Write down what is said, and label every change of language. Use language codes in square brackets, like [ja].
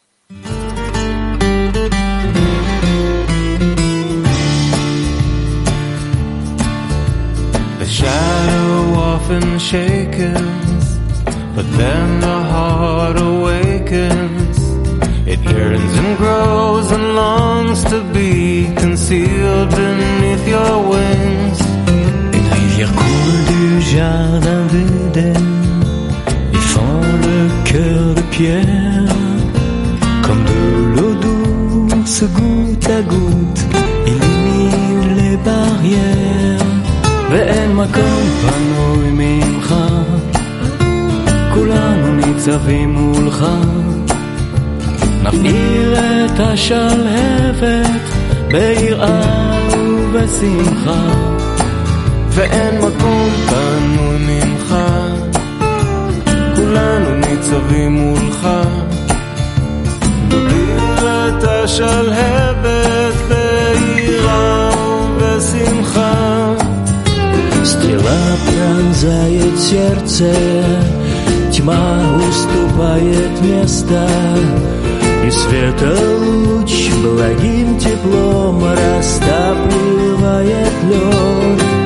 [en] The shadow often shakens, but then the heart awakens. It yearns and grows and longs to be concealed beneath your wings. [fr] Une rivière coule du jardin d'Eden, et fend le cœur de pierre. Comme de l'eau douce, goutte à goutte, illumine les barrières. [he] ואין מקום פנוי ממך, כולנו ניצבים מולך. נפעיל את השלהבת ביראה ובשמחה. ואין מקום פנוי ממך, כולנו ניצבים מולך. נפעיל את השלהבת ביראה ובשמחה. [ru] Стрела пронзает сердце, тьма уступает место, и светолуч благим теплом растапливает лед.